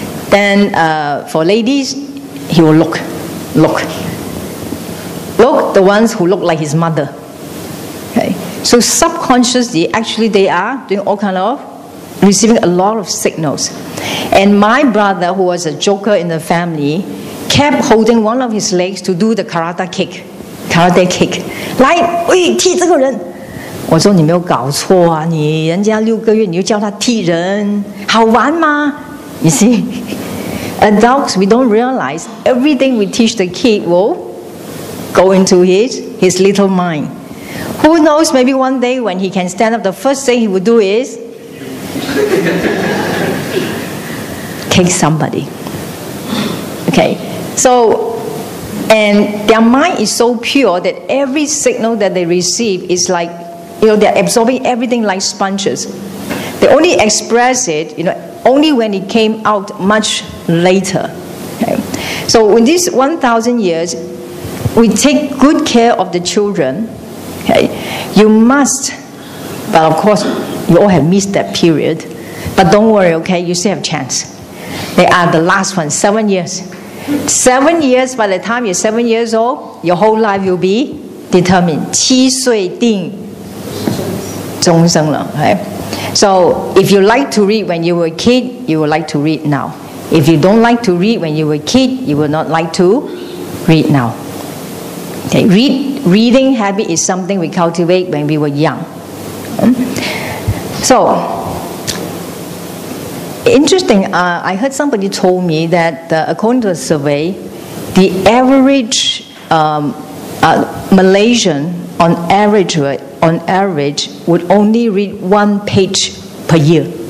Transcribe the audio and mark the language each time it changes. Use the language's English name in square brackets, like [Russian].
[English] Then for ladies, he will look. Look the ones who look like his mother. Okay. So subconsciously, actually they are doing all kind of, receiving a lot of signals. And my brother, who was a joker in the family, kept holding one of his legs to do the karate kick. [Chinese] 来，喂，踢这个人。我说你没有搞错啊， 你人家6个月你就叫他踢人， 好玩吗？ [English] You see, adults, we don't realize everything we teach the kid will go into his little mind. Who knows, maybe one day when he can stand up, the first thing he will do is kick somebody. Okay, so, and their mind is so pure that every signal that they receive is like, you know, they're absorbing everything like sponges. They only express it, you know, only when it came out much later. Okay. So in these 1,000 years, we take good care of the children. Okay. You must, but of course, you all have missed that period. But don't worry, okay, you still have a chance. They are the last one, 7 years. 7 years, by the time you're 7 years old, your whole life will be determined. [Chinese] 七岁定终生了, okay? [English] So if you like to read when you were a kid, you will like to read now. If you don't like to read when you were a kid, you will not like to read now. Okay, reading habit is something we cultivate when we were young. So, interesting, I heard somebody told me that according to a survey, the average Malaysian on average would only read one page per year.